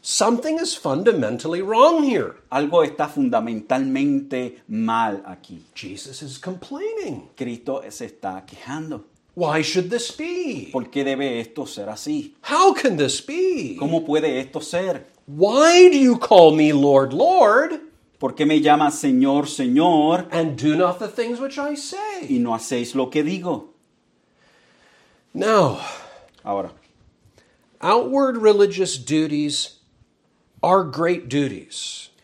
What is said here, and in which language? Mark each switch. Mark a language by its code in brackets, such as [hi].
[en] Something is fundamentally wrong here. [es] Algo está fundamentalmente mal aquí. [en] Jesus is complaining. [es] Cristo se está quejando. [en] Why should this be? [es] ¿Por qué debe esto ser así? [en] How can this be? [es] ¿Cómo puede esto ser? [en] Why do you call me Lord, Lord? [es] ¿Por qué me llamas Señor, Señor? [en] And do not the things which I say. [es] Y no hacéis lo que digo. [en] Now, [es] ahora, [en] outward religious duties are great duties.